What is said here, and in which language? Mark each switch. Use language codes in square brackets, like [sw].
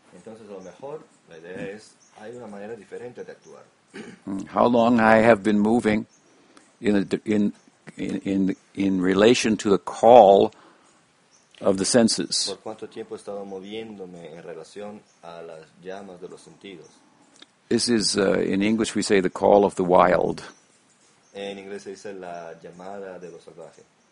[es] Entonces, lo mejor, la idea es, hay una manera diferente de actuar. [en] How long I have been moving in relation to the call of the senses. [es] ¿Por cuánto tiempo estaba moviéndome en relación a las llamas de los sentidos? [en] This is, in English we say, the call of the wild. [es] En inglés se dice la llamada de lo salvaje.